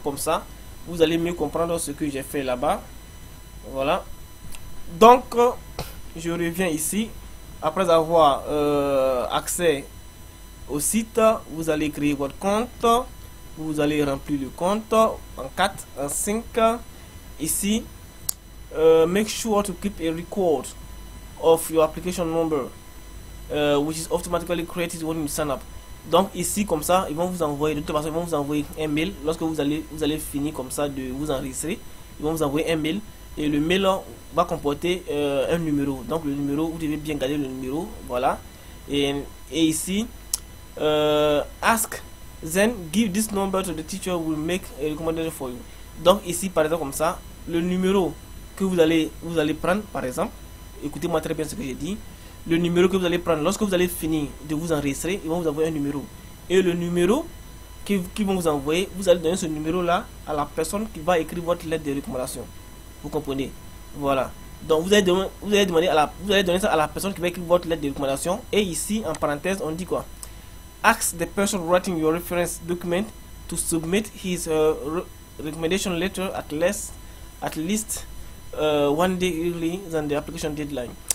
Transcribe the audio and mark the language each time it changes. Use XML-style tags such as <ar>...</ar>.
<fr>Comme ça, vous allez mieux comprendre ce que j'ai fait là-bas. Voilà. Donc, je reviens ici. Après avoir accès au site, vous allez créer votre compte. Vous allez remplir le compte en 4, en 5. Ici,</fr> <en>make sure to keep a record of your application number, which is automatically created when you sign up.</en> <fr>Donc ici, comme ça, ils vont vous envoyer, de toute façon, ils vont vous envoyer un mail lorsque vous allez finir comme ça de vous enregistrer. Ils vont vous envoyer un mail. Et le mail va comporter un numéro. Donc le numéro, vous devez bien garder le numéro. Voilà. Et ici,</fr> <en>ask, then give this number to the teacher who will make a recommendation for you.</en> <fr>Donc ici, par exemple, comme ça, le numéro que vous allez prendre, par exemple, écoutez-moi très bien ce que j'ai dit. Le numéro que vous allez prendre, lorsque vous allez finir de vous enregistrer, ils vont vous envoyer un numéro. Et le numéro qu'ils vont vous envoyer, vous allez donner ce numéro-là à la personne qui va écrire votre lettre de recommandation. Vous comprenez? Voilà. Donc vous allez donner ça à la personne qui va écrire votre lettre de recommandation. Et ici, en parenthèse, on dit quoi?</fr> <en>Ask the person writing your reference document to submit his recommendation letter at least one day early than the application deadline.</en>